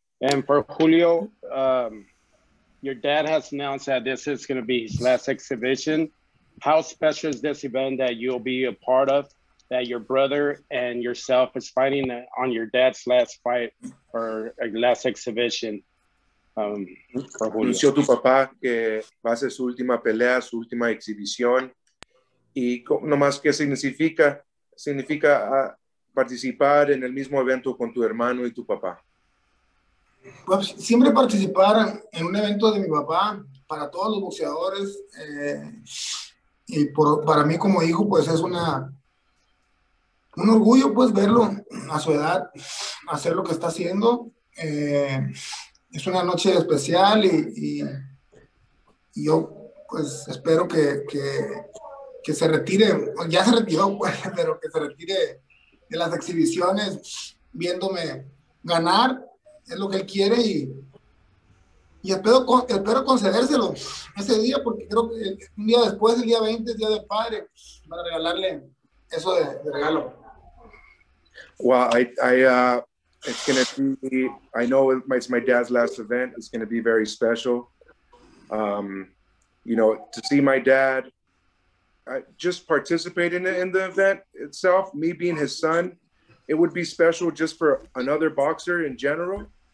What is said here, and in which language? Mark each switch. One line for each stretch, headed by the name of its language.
English: And for Julio, your dad has announced that this is going to be his last exhibition. How special is this event that you'll be a part of, that your brother and yourself is fighting on your dad's last fight or last exhibition? For Julio.
Spanish: Anunció tu papá que va a ser su última pelea, su última exhibición. Y nomás, ¿qué significa? Significa participar en el mismo evento con tu hermano y tu papá. Pues siempre participar en un evento de mi papá para todos los boxeadores y para mí como hijo pues es un orgullo pues verlo a su edad hacer lo que está haciendo. Es una noche especial y yo pues espero que se retire, ya se retiró pues, pero que se retire de las exhibiciones viéndome ganar. Es lo que él quiere y espero concedérselo ese día, porque creo que un día después, el día 20, es día del padre, para regalarle eso de regalo.
English: Well, it's going to be, I know it's my dad's last event. It's going to be very special. You know, to see my dad just participate in the event itself, me being his son, it would be special just for another boxer in general.